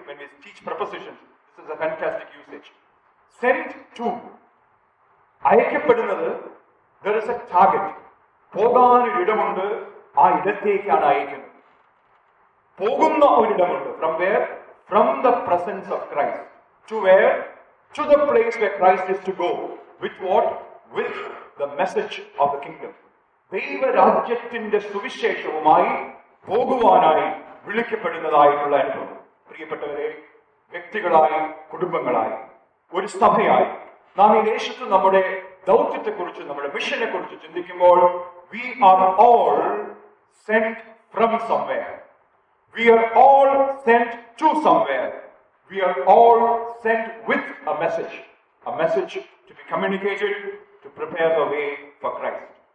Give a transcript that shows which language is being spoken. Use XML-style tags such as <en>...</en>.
<en>When we teach prepositions, this is a fantastic usage. Sent to.</en> <ml>അയക്കപ്പെടുന്നത്,</ml> <en>there is a target.</en> <ml>പോകാൻ ഒരിടമുണ്ട്, ആ ഇടത്തേക്കാണ് അയക്കുന്നത്. പോകുന്ന ഒരിടമുണ്ട്.</ml> <en>From where? From the presence of Christ. To where? To the place where Christ is to go. With what? With the message of the kingdom.</en> <ml>ദൈവരാജ്യത്തിന്റെ സുവിശേഷവുമായി പോകുവാനായി വിളിക്കപ്പെടുന്നതായിട്ടുള്ള അനുഭവം. പ്രിയപ്പെട്ടവരെ, വ്യക്തികളായി, കുടുംബങ്ങളായി, ഒരു സഭയായി നാം ഈ ദേശത്ത് നമ്മുടെ ദൗത്യത്തെക്കുറിച്ച്, നമ്മുടെ മിഷനെ കുറിച്ച് ചിന്തിക്കുമ്പോൾ,</ml> <en>We are all sent from somewhere, we are all sent to somewhere, we are all sent with a message to be communicated to prepare the way for Christ.</en>